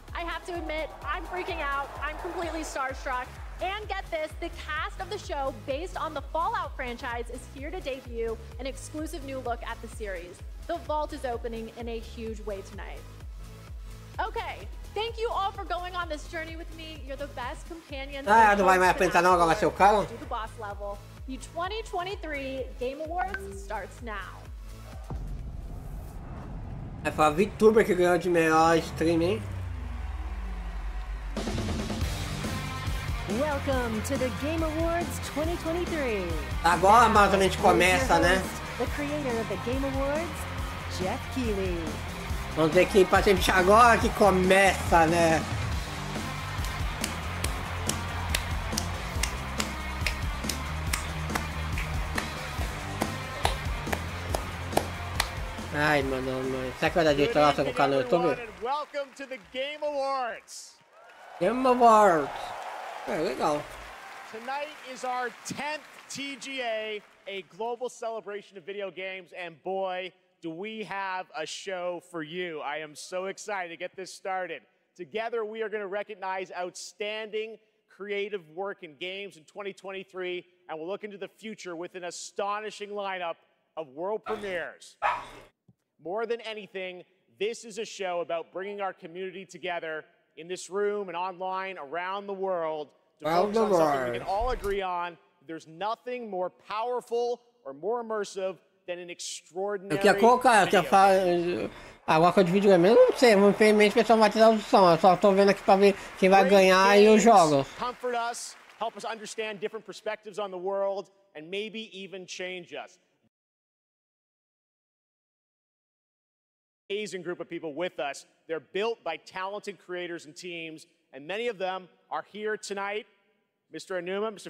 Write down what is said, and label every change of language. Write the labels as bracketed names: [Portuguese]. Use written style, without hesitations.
[English] I have to admit, I'm freaking out. I'm completely starstruck. And get this, the cast of the show based on the Fallout franchise is here to debut an exclusive new look at the series. The vault is opening in a huge way tonight. Okay, thank you all for going on this journey with me. You're the best companions. [Portuguese] Ah, não vai mais apresentar não, agora vai ser o cara. [English] Do the boss level. The 2023 Game Awards starts now. [Portuguese] É pra VTuber que ganhou de melhor stream, hein? [English] Welcome to the Game Awards 2023. [Portuguese] Agora mais a gente começa, né? [English] The creator of the Game Awards, Jeff Keighley. [Portuguese] Vamos ver aqui pra gente agora que começa, né? Ai, mano, será que vai dar jeito nossa no canal do YouTube? [English] Welcome to the Game Awards! [Portuguese] Game Awards! É legal. [English] Tonight is our 10th TGA, a global celebration of video games, and boy, do we have a show for you. I am so excited to get this started. Together, we are going to recognize outstanding creative work in games in 2023, and we'll look into the future with an astonishing lineup of world premieres. More than anything, this is a show about bringing our community together in this room and online around the world to focus on something we can all agree on. There's nothing more powerful or more immersive than an extraordinary. [Portuguese] Eu queria colocar, agora que eu divido, eu não sei, infelizmente o pessoal não vai tirar a opção, eu só tô vendo aqui pra ver quem vai ganhar e os jogos. [English] Comfort us, help us understand different perspectives on the world, and maybe even change us. Amazing group of people with us. They're built by talented creators and teams, and many of them are here tonight. Mr. Anuma, Mr.